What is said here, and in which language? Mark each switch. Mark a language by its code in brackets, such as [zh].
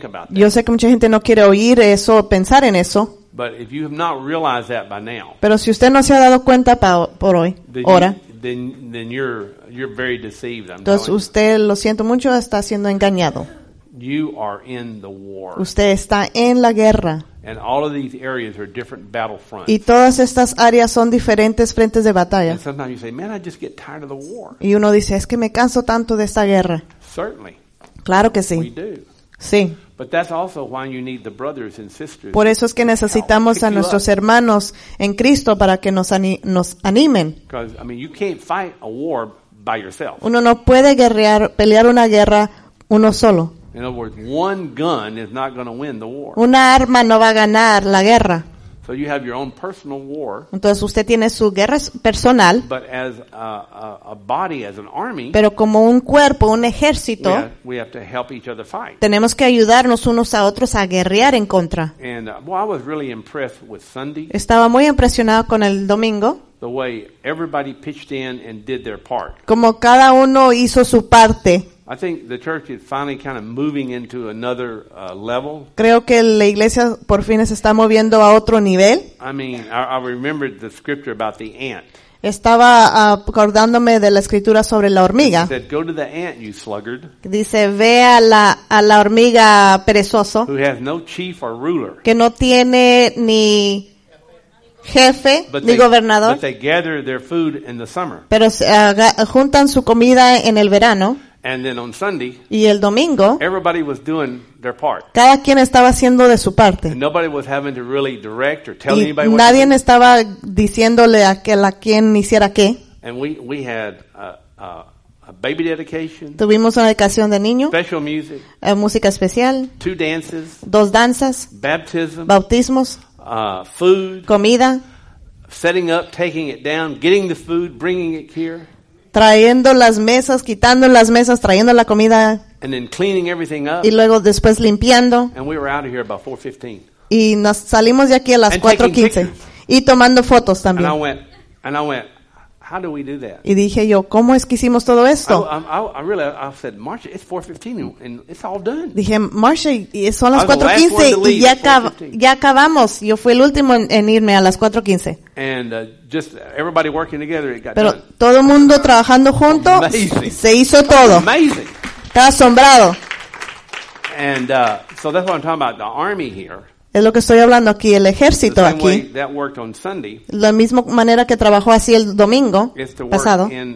[es] Yo sé que mucha gente no quiere oír eso o pensar en eso. [en] But if you have not realized that by now, [es] pero si usted no se ha dado cuenta por hoy, ahora, [en] then you're very deceived. [es] Entonces usted, lo siento mucho, está siendo engañado. [en] You are in the war. [es] Usted está en la guerra. [en] And all of these areas are different battle fronts. [es] Y todas estas áreas son diferentes frentes de batalla. [en] And sometimes you say, man, I just get tired of the war. [es] Y uno dice, es que me canso tanto de esta guerra. [en] Certainly. [es] Claro que sí. [en] We do. [es] Sí. [en] But that's also why you need the brothers and sisters. [es] Por eso es que necesitamos a nuestros hermanos en Cristo para que nos animen. [en] Because, I mean, you can't fight a war by yourself. [es] Uno no puede guerrear, pelear una guerra uno solo. [en] In other words, one gun is not going to win the war. [es] Una arma no va a ganar la guerra. [en] So you have your own personal war. [es] Entonces usted tiene su guerra personal. [en] But as a body, as an army, [es] pero como un cuerpo, un ejército, [en] we have to help each other fight. [es] Tenemos que ayudarnos unos a otros a guerrear en contra. [en] And I was really impressed with Sunday. [es] Estaba muy impresionado con el domingo. [en] The way everybody pitched in and did their part. [es] Como cada uno hizo su parte. [en] I think the church is finally kind of moving into another level. [es] Creo que la iglesia por fin se está moviendo a otro nivel. [en] I mean, I remembered the scripture about the ant. [es] Estaba acordándome de la escritura sobre la hormiga. [en] It said, "Go to the ant, you sluggard." [es] Dice, ve a la hormiga perezoso. [en] Who has no chief or ruler. [es] Que no tiene ni jefe, [en] but [es] ni gobernador. [en] But they gather their food in the summer. [es] Pero juntan su comida en el verano. [en] And then on Sunday, [es] y el domingo, [en] everybody was doing their part. [es] Cada quien estaba haciendo de su parte. [en] And nobody was having to really direct or tell [es] y [en] anybody what to do. [es] Nadie estaba diciéndole a quien hiciera qué. [en] And we had a baby dedication. [es] Tuvimos una dedicación de niño. [en] Special music. [es] Música especial. [en] Two dances. [es] Dos danzas. [en] Baptism. [es] Bautismos. [en] Food. [es] Comida. [en] Setting up, taking it down, getting the food, bringing it here. [es] Trayendo las mesas, quitando las mesas, trayendo la comida. [en] And then cleaning everything up. [es] Y luego después limpiando. [en] And we were out of here about 4:15. [es] Y nos salimos de aquí a las 4:15. Y tomando fotos también. [en] And I went, how do we do that? [es] Y dije yo, ¿cómo es que hicimos todo esto? [en] I said, Marcia, it's 4:15 and it's all done. [es] Dije, Marcia, son las 4:15 y ya acabamos. Yo fui el último en irme a las 4:15. [en] And just everybody working together, it got [es] pero [en] done. [es] Pero todo mundo trabajando junto, [en] amazing. [es] Se hizo todo. [en] Amazing. [es] Estaba asombrado. [en] And so that's what I'm talking about, the army here. [es] Es lo que estoy hablando aquí, el ejército aquí. [en] Sunday, [es] la misma manera que trabajó así el domingo pasado.